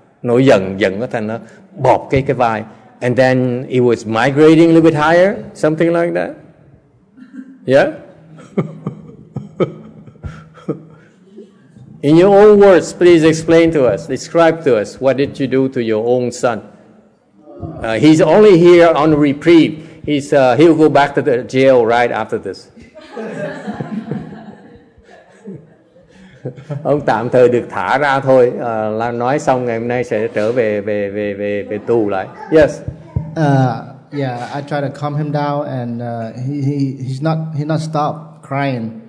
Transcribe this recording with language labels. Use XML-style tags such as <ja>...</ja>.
<vi>Nổi giận nó thành nó bóp cái vai.</vi> <en>And then it was migrating a little bit higher, something like that. Yeah? In your own words, please explain to us, describe to us, what did you do to your own son? He's only here on reprieve. He'll go back to the jail right after this.</en> <vi>Ông tạm thời được thả ra thôi. Là nói xong ngày hôm nay sẽ trở về về về về về tù lại.</vi> <en>Yes. Yeah, I try to calm him down, and he's not stopped crying.</en>